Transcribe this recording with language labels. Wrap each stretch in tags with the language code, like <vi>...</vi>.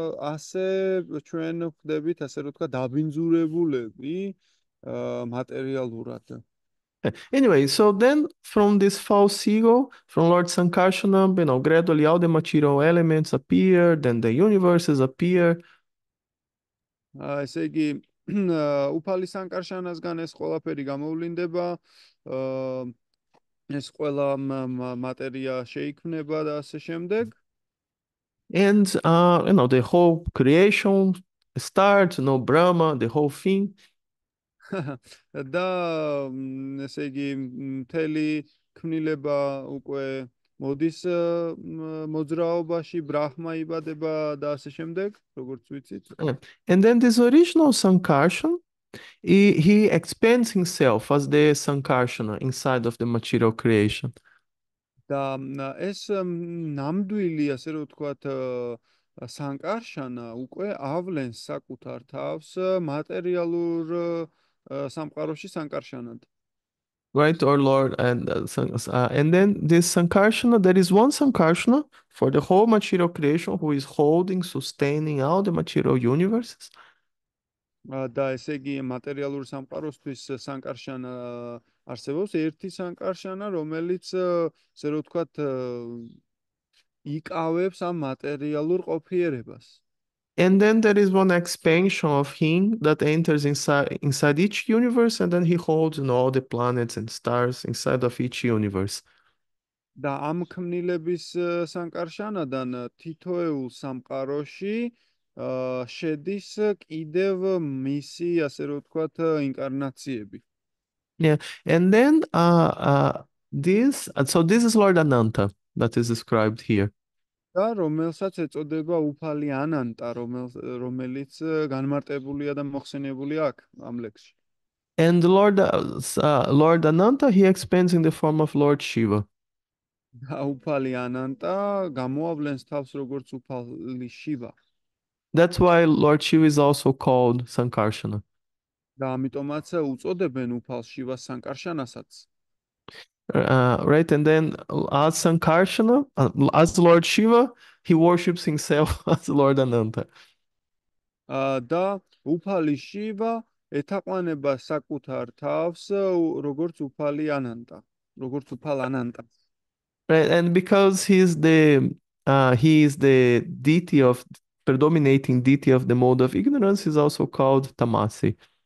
<ka>ასე ჩვენ ხდებით, ასე რომ ვთქვა, დაბინძურებულები მატერიალურად.</ka> <en>Anyway, so then from this false ego, from Lord Sankarsana, gradually all the material elements appear, then the universes appear.</en> <ka>ესე იგი უფალი სანკარშანასგან ეს ყველაფერი გამოვლინდება, ეს ყველა მატერია შეიქმნება და ასე შემდეგ.</ka> <en>And the whole creation start, Brahma, the whole thing.</en> <ka>და ესე იგი მთელი ქმნილება უკვე მოდის მოძრაობაში, ბრაჰმა იბადება და ასე შემდეგ, როგორც ვიცით.</ka> <en>And then this original Sankarsana, he expands himself as the Sankarsana inside of the material creation.</en> <ka>და ეს ნამდვილი, ასე რომ ვთქვათ, სანკარშანა უკვე ავლენს საკუთარ თავს მატერიალურ სამყაროში სანკარშანად.</ka> <en>Right, our Lord, and then this Sankarsana, there is one Sankarsana for the whole material creation who is holding, sustaining all the material universes.</en> <ka>და ესე იგი მატერიალური სამყაროსთვის სანკარშანა არსებობს, ერთი სანკარშანა, რომელიც ესე რომ ვთქვათ იკავებს ამ მატერიალურ ყოფიერებას.</ka> <en>And then there is one expansion of him that enters inside each universe, and then he holds all the planets and stars inside of each universe.</en> <ka>და ამ ქმნილების სანკარშანადან თითოეულ სამყაროში შედის კიდევ მისი, ასე რომ ვთქვათ, ინკარნაციები.</ka> <en>Yeah, and then this is Lord Ananta that is described here.</en> <ka>და რომელსაც ეწოდება უფალი ანანტა, რომელიც განმარტებულია და მოხსენებულია აქ ამ ლექსში.</ka> <en>And Lord Ananta, he expands in the form of Lord Shiva.</en> <ka>და უფალი ანანტა გამოავლენს თავს როგორც უფალი შივა.</ka> <en>That's why Lord Shiva is also called Sankarsana.</en> <ka>და ამიტომაც უწოდებენ უფალ შივას სანკარშანასაც.</ka> <en>Right, and then as Sankarsana, as Lord Shiva, he worships himself as Lord Ananta.</en> <ka>და უფალი შივა ეთაყვანება საკუთარ თავს როგორც უფალი ანანტა, როგორც უფალ ანანტას.</ka> <en>Right, and because he is the deity of predominating deity of the mode of ignorance, he's also called Tamasi.</en>